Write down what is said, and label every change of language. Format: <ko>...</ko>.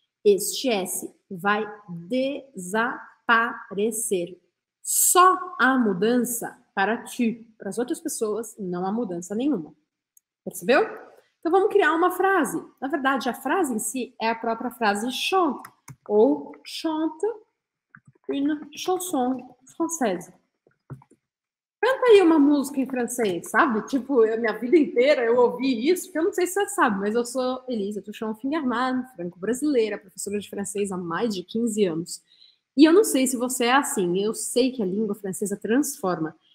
<pt>Este S vai desaparecer. Só há mudança para tu. Para as outras pessoas, não há mudança nenhuma. Percebeu? Então vamos criar uma frase. Na verdade, a frase em si é a própria frase chante.</pt> <fr>Ou chante une chanson française.</fr> <pt>Canta aí uma música em francês, sabe? Tipo, a minha vida inteira eu ouvi isso, porque eu não sei se você sabe, mas eu sou Elisa Tuchon Fingerman, franco-brasileira, professora de francês há mais de 15 anos. E eu não sei se você é assim, eu sei que a língua francesa transforma.</pt>